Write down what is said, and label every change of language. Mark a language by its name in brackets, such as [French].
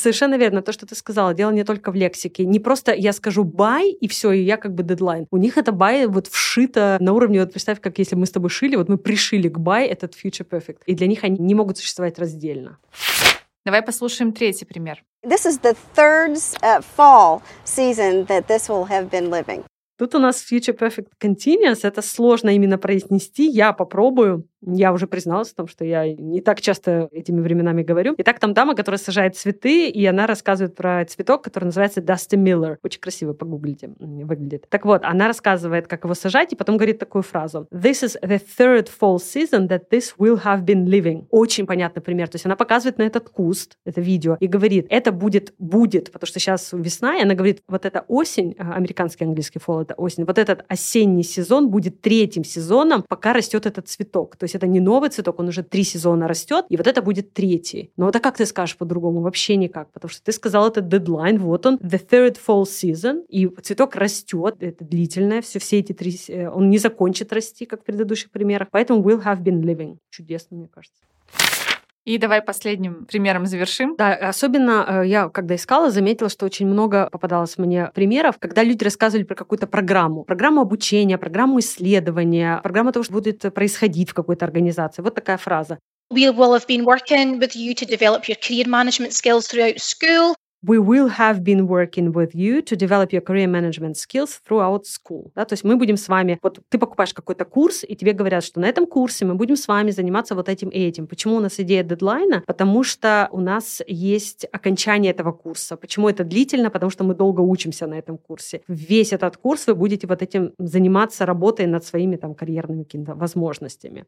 [Russian] Совершенно верно. То, что ты сказала, дело не только в лексике. Не просто я скажу «бай», и все, и я как бы дедлайн. У них это «бай» вот вшито на уровне, вот представь, как если мы с тобой шили, вот мы пришили к «бай» этот future perfect. И для них они не могут существовать раздельно. Давай послушаем третий пример. [English] This is the third fall season that this will have been living. [Russian] Тут у нас future perfect continuous. Это сложно именно произнести. Я попробую. Я уже призналась в том, что я не так часто этими временами говорю. Итак, там дама, которая сажает цветы, и она рассказывает про цветок, который называется Dusty Miller. Очень красиво, погуглите, выглядит. Так вот, она рассказывает, как его сажать, и потом говорит такую фразу. [English] This is the third fall season that this will have been living. [Russian] Очень понятный пример. То есть она показывает на этот куст, это видео, и говорит, это будет, потому что сейчас весна, и она говорит, вот эта осень, американский английский fall, это осень. Вот этот осенний сезон будет третьим сезоном, пока растет этот цветок. То есть это не новый цветок, он уже три сезона растет, и вот это будет третий. Но это как ты скажешь по-другому? Вообще никак. Потому что ты сказал, это дедлайн, вот он, [English] the third fall season, [Russian] и цветок растет, это длительное, все эти три... Он не закончит расти, как в предыдущих примерах, поэтому [English] will have been living. [Russian] Чудесно, мне кажется. И давай последним примером завершим. Да, особенно я, когда искала, заметила, что очень много попадалось мне примеров, когда люди рассказывали про какую-то программу. Программу обучения, программу исследования, программу того, что будет происходить в какой-то организации. Вот такая фраза. [English] We will have been working with you to develop your career management skills throughout school. We will have been working with you to develop your career management skills throughout school. [Russian] Да, то есть мы будем с вами... Вот ты покупаешь какой-то курс, и тебе говорят, что на этом курсе мы будем с вами заниматься вот этим и этим. Почему у нас идея дедлайна? Потому что у нас есть окончание этого курса. Почему это длительно? Потому что мы долго учимся на этом курсе. Весь этот курс вы будете вот этим заниматься, работая над своими там карьерными какими-то возможностями.